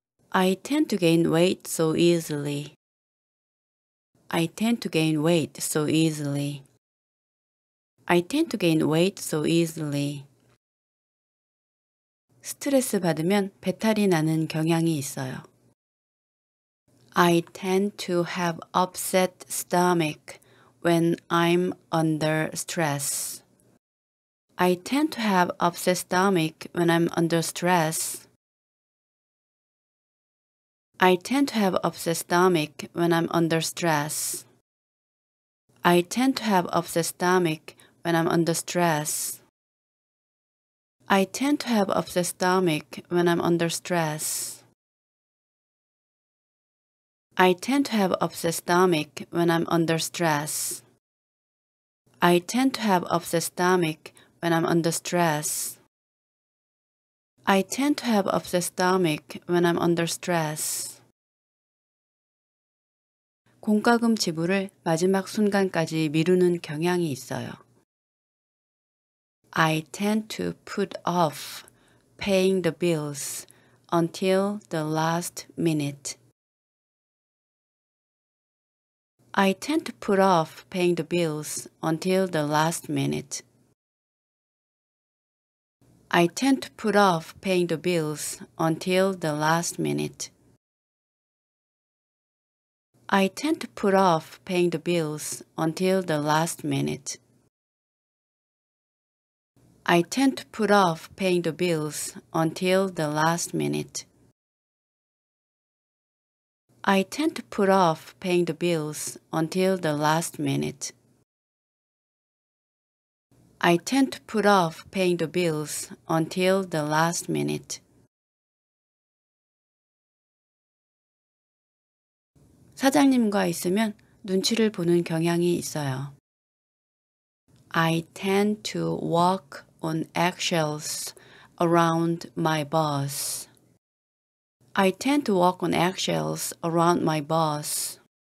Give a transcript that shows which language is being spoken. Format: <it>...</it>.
<en>I tend to gain weight so easily. I tend to gain weight so easily. I tend to gain weight so easily.</en> <ko>스트레스 받으면 배탈이 나는 경향이 있어요.</ko> <en>I tend to have upset stomach when I'm under stress. I tend to have upset stomach when I'm under stress. I tend to have upset stomach when I'm under stress. I tend to have upset stomach when I'm under stress. I tend to have upset stomach when I'm under stress. I tend to have upset stomach when I'm under stress. I tend to have upset stomach when I'm under stress. I tend to have upset stomach when I'm under stress.</en> <ko>공과금 지불을 마지막 순간까지 미루는 경향이 있어요.</ko> <en>I tend to put off paying the bills until the last minute. I tend to put off paying the bills until the last minute. I tend to put off paying the bills until the last minute. I tend to put off paying the bills until the last minute. I tend to put off paying the bills until the last minute. I tend to put off paying the bills until the last minute. I tend to put off paying the bills until the last minute.</en> <ko>사장님과 있으면 눈치를 보는 경향이 있어요.</ko> <en>I tend to walk on eggshells around my boss. I tend to walk on eggshells around my boss.</en>